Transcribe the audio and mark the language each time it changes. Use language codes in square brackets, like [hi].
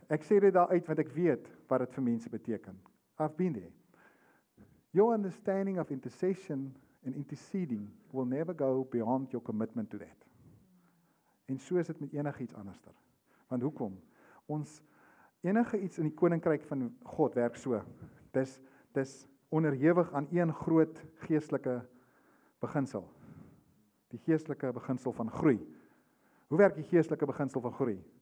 [af] Ek sê dit daar uit, want ek weet wat dit vir mense beteken. [en] I've been there. Your understanding of intercession and interceding will never go beyond your commitment to that. [af] En so is dit met enigiets anderster. Want hoekom? Ons enige iets in die koninkryk van God werk so. Dis onderhewig aan een groot geestelike beginsel. Die geestelike beginsel van groei. Hoe werk die geestelike beginsel van groei?